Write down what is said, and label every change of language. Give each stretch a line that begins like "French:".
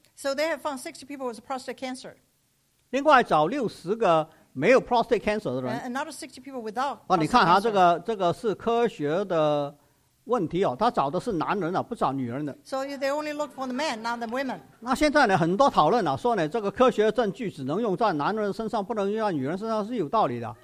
English: so they have found 60 people with prostate cancer
Chinese: 另外找六十个没有 prostate cancer 的人
English: and another 60 people without、
Chinese: 啊、你看、啊、这个是科学的问题、哦、他找的是男人、啊、不找女人的
English: so they only look for the men not the women
Chinese: 那现在呢很多讨论、啊、说呢这个科学证据只能用在男人身上不能用在女人身上是有道理的